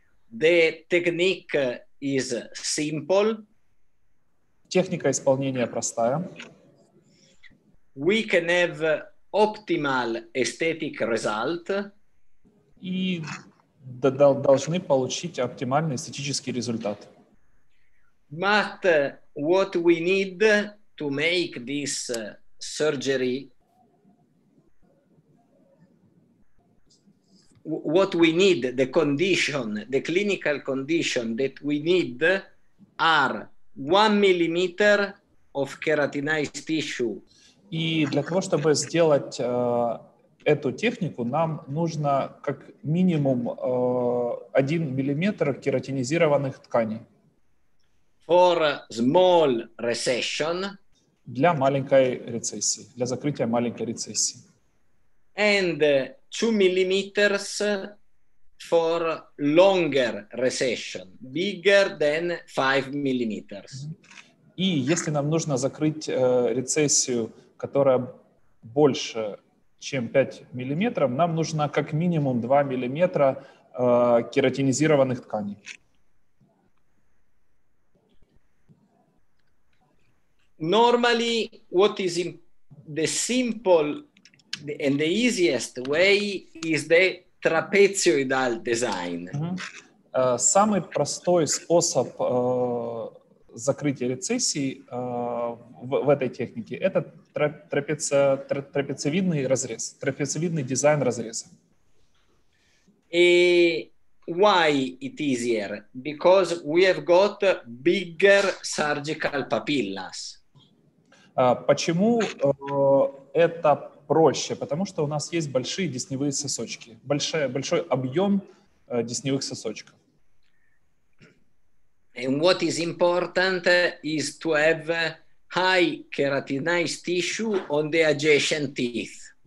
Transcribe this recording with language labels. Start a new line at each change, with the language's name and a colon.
English: The technique is simple.
Russian: Техника исполнения простая.
English: We can have optimal aesthetic result.
Russian: И должны получить оптимальный эстетический результат.
English: But what we need to make this surgery, what we need, the condition, the clinical condition that we need are 1 millimeter of keratinized tissue.
Russian: И для того, чтобы сделать эту технику, нам нужно как минимум 1 миллиметр кератинизированных тканей.
English: For small recession.
Russian: Для маленькой рецессии, для закрытия маленькой рецессии.
English: And 2 millimeters for longer recession, bigger than 5 millimeters.
Russian: И если нам нужно закрыть рецессию, которая больше, чем 5 миллиметров, нам нужно как минимум 2 миллиметра кератинизированных тканей.
English: Normally, what is the simple and the easiest way is the trapezoidal design.
Russian: Самый простой способ закрытия рецессии в этой технике – это трапециевидный разрез, трапециевидный дизайн разреза. И
English: Why it easier? Because we have got bigger surgical papillas.
Russian: Почему это проще? Потому что у нас есть большие десневые сосочки. Большой объем десневых сосочков.
English: And what is important is to have high keratinized tissue on the adjacent teeth.